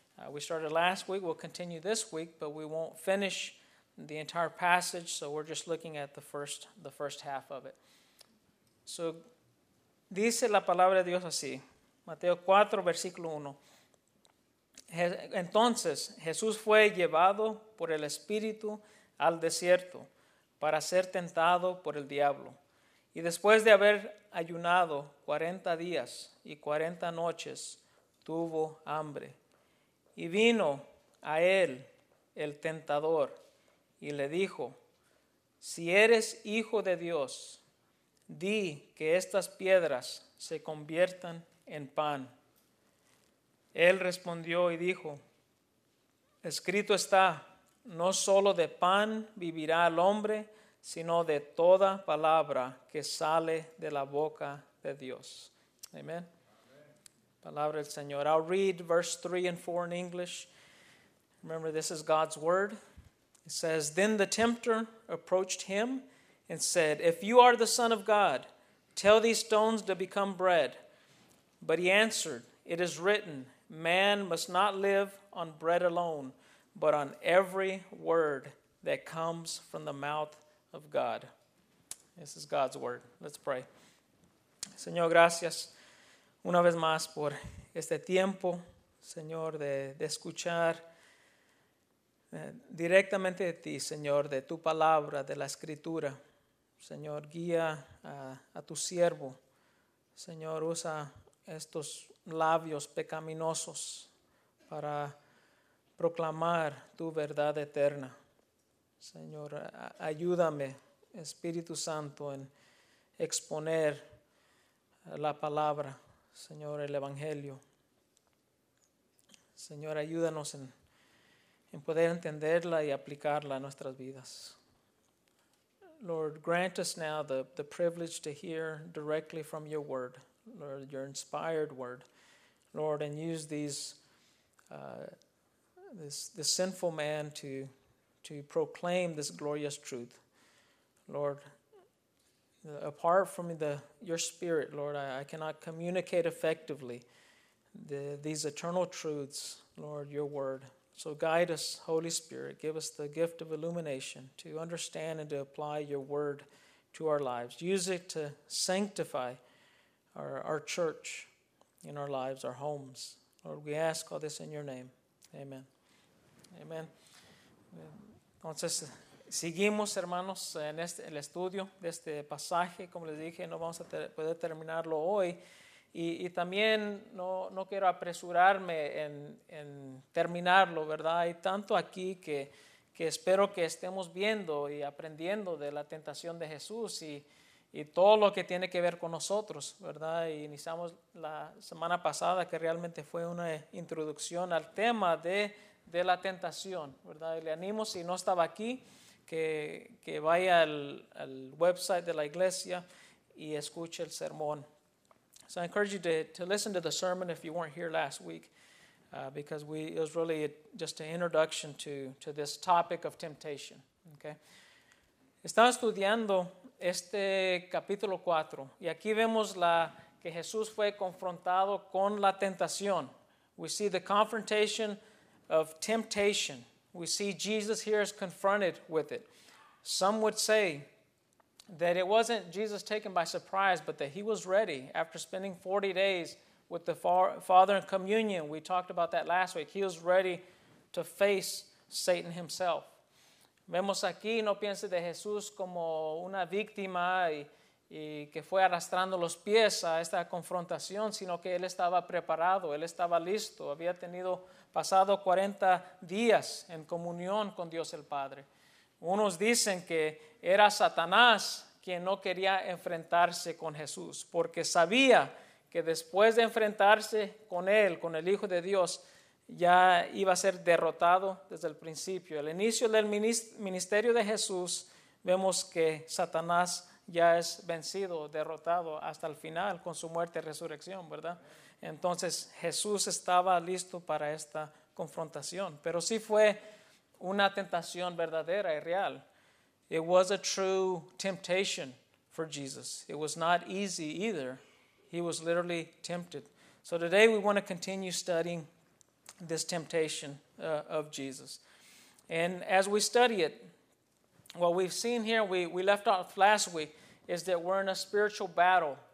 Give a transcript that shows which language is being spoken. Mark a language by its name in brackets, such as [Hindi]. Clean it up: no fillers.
[English] We started last week, we'll continue this week, but we won't finish the entire passage, so we're just looking at the first half of it. So, [Spanish] dice la palabra de Dios así, Mateo 4, versículo 1. Entonces, Jesús fue llevado por el Espíritu al desierto para ser tentado por el diablo. Y después de haber ayunado 40 días y 40 noches, tuvo hambre. Y vino a él el tentador y le dijo, si eres hijo de Dios, di que estas piedras se conviertan en pan. Él respondió y dijo, escrito está, no solo de pan vivirá el hombre, sino de toda palabra que sale de la boca de Dios. Amen. Amen. Palabra del Señor. [English] I'll read verse 3 and 4 in English. Remember, this is God's word. It says, then the tempter approached him and said, if you are the Son of God, tell these stones to become bread. But he answered, it is written, man must not live on bread alone, but on every word that comes from the mouth of God. This is God's word. Let's pray. [Spanish] Señor, gracias una vez más por este tiempo, Señor, de escuchar directamente de ti, Señor, de tu palabra, de la escritura. Señor, guía a tu siervo. Señor, usa estos labios pecaminosos para proclamar tu verdad eterna. Señor, ayúdame, Espíritu Santo, en exponer la palabra, Señor, el Evangelio. Señor, ayúdanos en poder entenderla y aplicarla a nuestras vidas. [English] Lord, grant us now the privilege to hear directly from your word, Lord, your inspired word, Lord, and use these this sinful man to proclaim this glorious truth. Lord, apart from your spirit, Lord, I cannot communicate effectively these eternal truths, Lord, your word. So guide us, Holy Spirit. Give us the gift of illumination to understand and to apply your word to our lives. Use it to sanctify our church in our lives, our homes. Lord, we ask all this in your name. Amen. Amen. [Spanish] Entonces, seguimos, hermanos, en el estudio de este pasaje. Como les dije, no vamos a poder terminarlo hoy. Y también no quiero apresurarme en terminarlo, ¿verdad? Hay tanto aquí que espero que estemos viendo y aprendiendo de la tentación de Jesús y todo lo que tiene que ver con nosotros, ¿verdad? Y iniciamos la semana pasada, que realmente fue una introducción al tema de la tentación, ¿verdad? Y le animo, si no estaba aquí, que vaya al website de la iglesia y escuche el sermón. [English] So I encourage you to listen to the sermon if you weren't here last week, because it was really just an introduction to this topic of temptation. Okay. [Spanish] Estamos estudiando este capítulo 4, y aquí vemos que Jesús fue confrontado con la tentación. [English] We see the confrontation of temptation. We see Jesus here is confronted with it. Some would say that it wasn't Jesus taken by surprise, but that he was ready after spending 40 days with the Father in communion. We talked about that last week. He was ready to face Satan himself. [Spanish] Vemos aquí, no piense de Jesús como una víctima y que fue arrastrando los pies a esta confrontación, sino que él estaba preparado, él estaba listo. Había tenido pasado 40 días en comunión con Dios el Padre. Unos dicen que era Satanás quien no quería enfrentarse con Jesús, porque sabía que después de enfrentarse con él, con el Hijo de Dios, ya iba a ser derrotado desde el principio. El inicio del ministerio de Jesús, vemos que Satanás ya es vencido, derrotado hasta el final con su muerte y resurrección, ¿verdad? Entonces Jesús estaba listo para esta confrontación, pero sí fue una tentación verdadera y real. [English] It was a true temptation for Jesus. It was not easy either. He was literally tempted. So today we want to continue studying this temptation of Jesus. And as we study it, what we've seen here, we left off last week, is that we're in a spiritual battle.